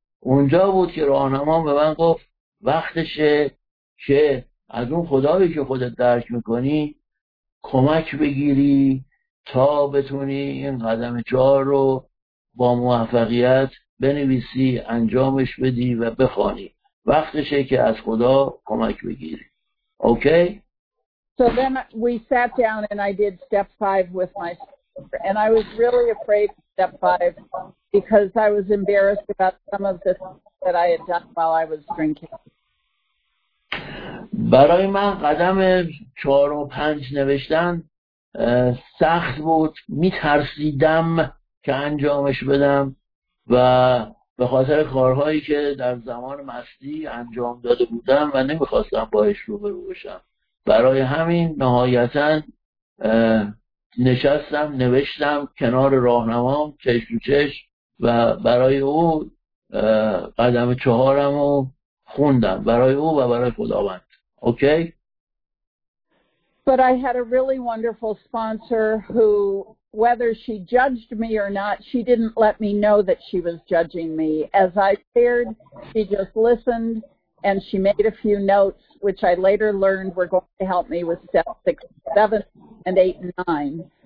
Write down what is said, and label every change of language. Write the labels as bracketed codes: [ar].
[fa] اونجا بود که راهنمام به من گفت وقتشه که از اون خدایی که خودت درک میکنی کمک بگیری تا بتونی این قدم 4 رو با موفقیت بنویسی، انجامش بدی و بخوانی. وقتشه که از خدا کمک بگیری. [en] Okay? So then we sat down and I did step 5 with my sister. And I was really afraid of step 5 because I was embarrassed about some of the things that I had done while I was drinking. [fa] برای من قدم 4 و 5 نوشتن سخت بود، میترسیدم که انجامش بدم و به خاطر کارهایی که در زمان مستی انجام داده بودم و نمیخواستم باهاش روبرو بشم. برای همین نهایتا نشستم نوشتم کنار راهنمام چش رو چش و برای او قدم 4م رو خوندم، برای او و برای خداوند. [en] Okay? But I had a really wonderful sponsor who, whether she judged me or not, she didn't let me know that she was judging me. As I shared, she just listened and she made a few notes, which I later learned were going to help me with step 6, 7, and 8, and 9.